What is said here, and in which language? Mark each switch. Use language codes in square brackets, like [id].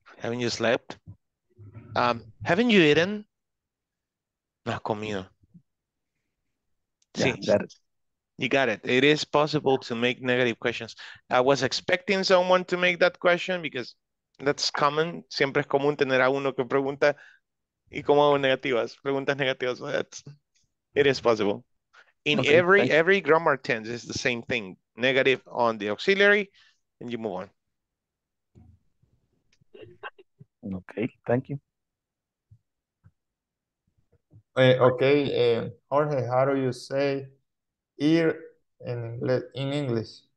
[en] Haven't you slept? Haven't you eaten? [es] No ha comido. [en] Yeah, you got it. It is possible to make negative questions. I was expecting someone to make that question because that's common. [es] Siempre es común tener a uno que pregunta y cómo hago negativas. Preguntas negativas. [en] It is possible. In every grammar tense, it's the same thing. Negative on the auxiliary, and you move on. Okay, thank you. Jorge, how do you say ear in English?